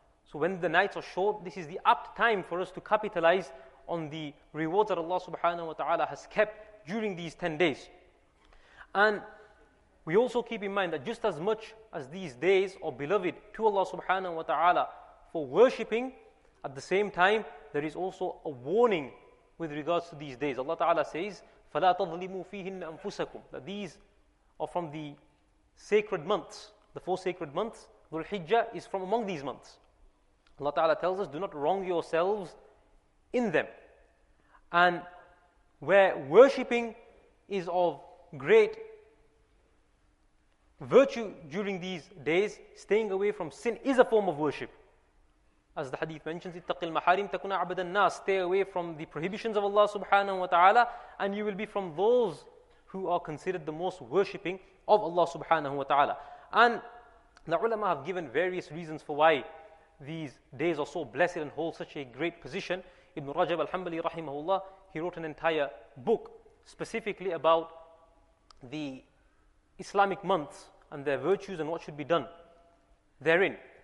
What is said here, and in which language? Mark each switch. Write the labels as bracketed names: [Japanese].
[English] So when the nights are short, this is the apt time for us to capitalize on the rewards that Allah subhanahu wa ta'ala has kept during these 10 days. And we also keep in mind that just as much as these days are beloved to Allah subhanahu wa ta'ala for worshipping, at the same time, there is also a warning with regards to these days. Allah ta'ala says, [Arabic] فَلَا تَظْلِمُوا فِيهِنَّ أَنفُسَكُمْ. [English] That these are from the sacred months. The four sacred months, Dhul Hijjah is from among these months. Allah ta'ala tells us, do not wrong yourselves in them. And where worshipping is of great virtue during these days, staying away from sin is a form of worship. As the hadith mentions, [Arabic] اتَّقِ الْمَحَارِمْ تَكُنَ عَبَدَ النَّاسِ. [English] Stay away from the prohibitions of Allah subhanahu wa ta'ala, and you will be from those who are considered the most worshipping of Allah subhanahu wa ta'ala. And The ulama have given various reasons for why these days are so blessed and hold such a great position. Ibn Rajab al-Hanbali rahimahullah, he wrote an entire book specifically about the Islamic months and their virtues and what should be done therein.